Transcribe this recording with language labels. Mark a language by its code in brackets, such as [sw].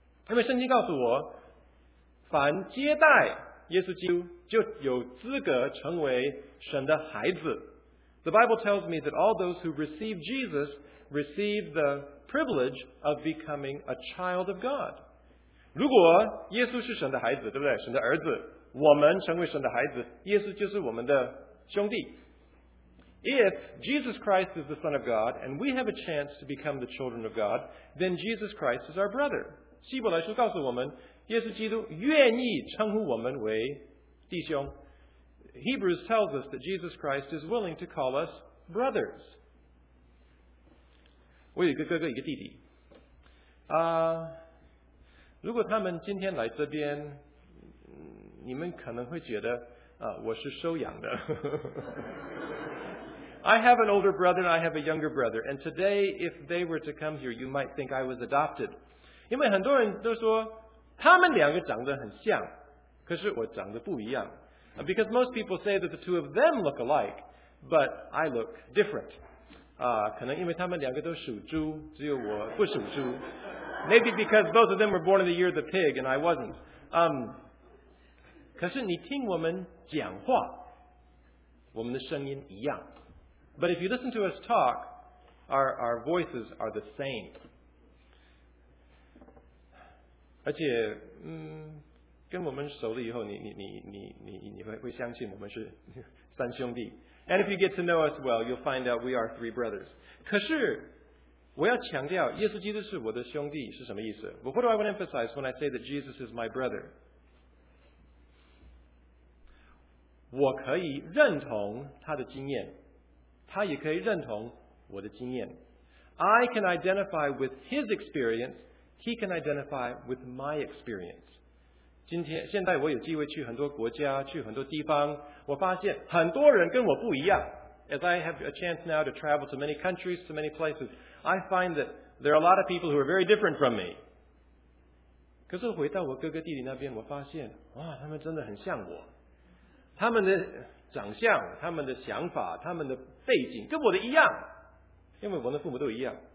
[zh] 因为圣经告诉我，凡接待耶稣基督就有资格成为神的孩子。 [en] The Bible tells me that all those who receive Jesus receive the privilege of becoming a child of God. [zh] 如果耶稣是神的孩子，对不对？神的儿子，我们成为神的孩子，耶稣就是我们的兄弟。 [en] If Jesus Christ is the Son of God and we have a chance to become the children of God, then Jesus Christ is our brother. [zh] 希伯来书告诉我们，耶稣基督愿意称呼我们为弟兄。 [en] Hebrews tells us that Jesus Christ is willing to call us brothers. [zh] 我有一个哥哥，一个弟弟。如果他们今天来这边，你们可能会觉得我是收养的。 [en] I have an older brother and I have a younger brother. And today, if they were to come here, you might think I was adopted. [zh] 因为很多人都说他们两个长得很像，可是我长得不一样。 [en] Because most people say that the two of them look alike, but I look different. [zh] 可能因为他们两个都属猪，只有我不属猪。 [en] Maybe because both of them were born in the year of the pig and I wasn't. [zh] 可是你听我们讲话，我们的声音一样。 [en] But if you listen to us talk, our voices are the same. [zh] 而且，跟我们熟了以后，你会相信我们是三兄弟。 [en] And if you get to know us well, you'll find out we are three brothers. [zh] 可是，我要强调，耶稣基督是我的兄弟是什么意思？ [en] But what do I want to emphasize when I say that Jesus is my brother? [zh] 我可以认同他的经验。他也可以认同我的经验。 [en] I can identify with his experience, he can identify with my experience. [zh] 今天，现在我有机会去很多国家，去很多地方，我发现很多人跟我不一样。 [en] As I have a chance now to travel to many countries, to many places, I find that there are a lot of people who are very different from me. [zh] 可是回到我哥哥弟弟那边，我发现，哇，他们真的很像我。他们的长相，他们的想法，他们的背景跟我的一样，因为我的父母都一样。